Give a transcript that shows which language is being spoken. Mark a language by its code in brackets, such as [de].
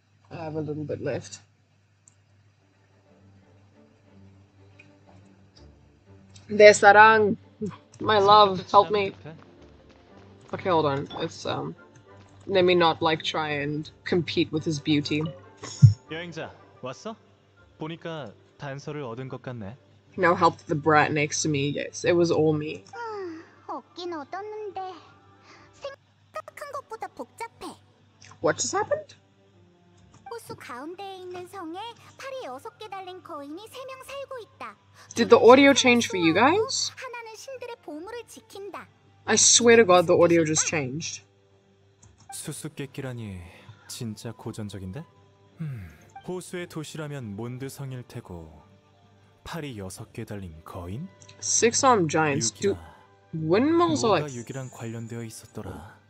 [en] I have a little bit left. There's Sarang! My love, help me. Okay, hold on. It's, let me not, like, try and compete with his beauty. [ko] 여행자, 왔어? 보니까 단서를 얻은 것 같네. [en] No help to the brat next to me. Yes, it was all me. [ko] 얻긴 얻었는데 생각한 것보다 복잡해. [en] What just happened? [ko] 호수 가운데에 있는 성에 팔이 여섯 개 달린 거인이 세 명 살고 있다. [en] Did the audio change for you guys? [ko] 하나는 신들의 보물을 지킨다. [en] I swear to God, the audio just changed. [ko] 수수께끼라니 진짜 고전적인데? 호수의 도시라면 몬드 성일 테고. 팔이 여섯 개 달린 거인? [en] Six-arm giants. Do windmills are like. [ko] 유기랑 관련되어 있었더라.